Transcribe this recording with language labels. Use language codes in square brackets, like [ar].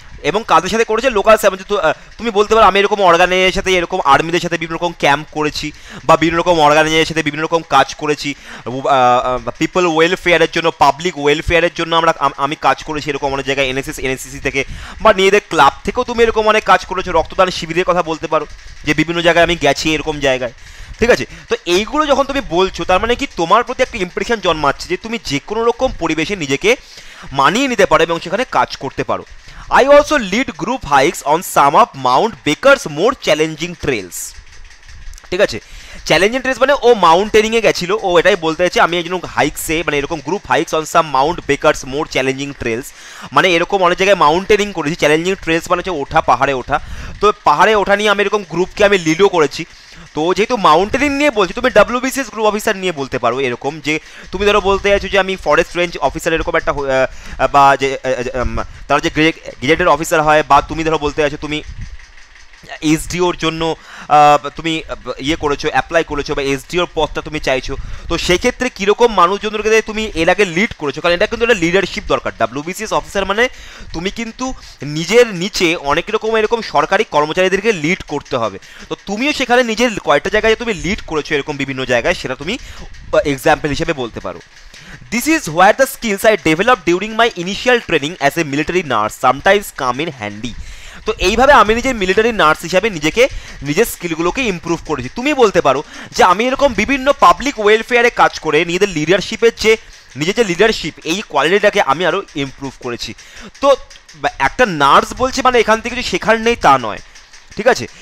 [bn] এবং কাদের সাথে করেছে, লোকাল স্যালমন, তুমি বলতে পারো আমি এরকম অর্গানাইজের সাথে, এরকম আর্মিদের সাথে বিভিন্ন রকম ক্যাম্প করেছি বা বিভিন্ন রকম অর্গানাইজের সাথে বিভিন্ন রকম কাজ করেছি, পিপল ওয়েলফেয়ারের জন্য, পাবলিক ওয়েলফেয়ারের জন্য আমি কাজ করেছি এরকম অনেক জায়গায়, NSS NCC থেকে বা নিজেদের ক্লাব থেকেও তুমি এরকম অনেক কাজ করেছো, রক্তদান শিবিরের কথা বলতে পারো যে বিভিন্ন জায়গায় আমি গেছি এরকম জায়গায়, ঠিক আছে। তো এইগুলো যখন তুমি বলছো, তার মানে কি তোমার প্রতি একটা ইম্প্রেশন জন্মাচ্ছে যে তুমি যে কোনো রকম পরিবেশে নিজেকে মানিয়ে নিতে পারো এবং সেখানে কাজ করতে পারো। [en] I also lead group hikes on some of Mount Baker's more challenging trails. [bn] ঠিক আছে, চ্যালেঞ্জিং ট্রেলস মানে ও মাউন্টেনিংয়ে গেছিলো, ও এটাই বলতে চাইছে, আমি একজন হাইক্সে মানে এরকম [en] group hikes on some Mount Bakers more challenging trails, [bn] মানে এরকম অনেক জায়গায় মাউন্টেনিং করেছি, চ্যালেঞ্জিং ট্রেলস মানে হচ্ছে ওঠা, পাহাড়ে ওঠা। তো পাহাড়ে ওঠা নিয়ে আমি এরকম গ্রুপকে আমি লিডও করেছি। তো যেহেতু মাউন্টেনিং নিয়ে বলছি, তুমি WBCS গ্রুপ অফিসার নিয়ে বলতে পারো এরকম, যে তুমি ধরো বলতে চাইছো যে আমি ফরেস্ট রেঞ্জ অফিসার এরকম একটা, বা যে তারা যে গেজেটেড অফিসার হয়, বা তুমি ধরো বলতে চাইছো তুমি এসডিওর জন্য তুমি করেছো, অ্যাপ্লাই করেছো বা এসডিওর পথটা তুমি চাইছো, তো সেক্ষেত্রে কীরকম মানুষজনকে দিয়ে তুমি এর আগে লিড করেছো? কারণ এটা কিন্তু একটা লিডারশিপ দরকার। WBCS অফিসার মানে তুমি কিন্তু নিজের নিচে অনেক রকম এরকম সরকারি কর্মচারীদেরকে লিড করতে হবে। তো তুমিও সেখানে নিজের কয়েকটা জায়গায় তুমি লিড করেছো এরকম বিভিন্ন জায়গায়, সেটা তুমি এক্সাম্পল হিসেবে বলতে পারো। [en] This is where the skills I developed during my initial training as a military nurse sometimes come in handy. [bn] তো এইভাবে আমি নিজে মিলিটারি নার্স হিসাবে নিজেকে নিজের স্কিলগুলোকে ইম্প্রুভ করেছি। তুমি বলতে পারো যে আমি এরকম বিভিন্ন পাবলিক ওয়েলফেয়ারে কাজ করে নিজেদের লিডারশিপের যে নিজের যে লিডারশিপ এই কোয়ালিটিটাকে আমি আরও ইম্প্রুভ করেছি। তো একটা নার্স বলছে মানে এখান থেকে যে শেখার নেই তা নয়, ঠিক আছে?